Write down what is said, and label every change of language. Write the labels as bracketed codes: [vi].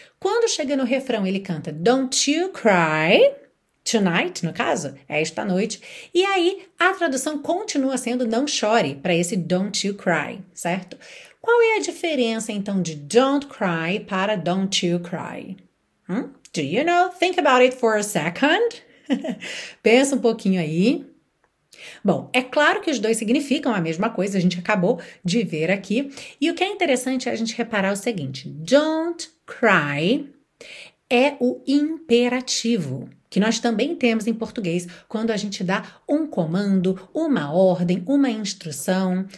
[pt] Quando chega no refrão, ele canta Don't You Cry. Tonight, no caso, é esta noite. E aí, a tradução continua sendo não chore para esse [en] don't you cry, [pt] certo? Qual é a diferença, então, de [en] don't cry [pt] para [en] don't you cry? Do you know? Think about it for a second. [pt] Pensa um pouquinho aí. Bom, é claro que os dois significam a mesma coisa, a gente acabou de ver aqui. E o que é interessante é a gente reparar o seguinte. [en] Don't cry [pt] é o imperativo, que nós também temos em português quando a gente dá um comando, uma ordem, uma instrução.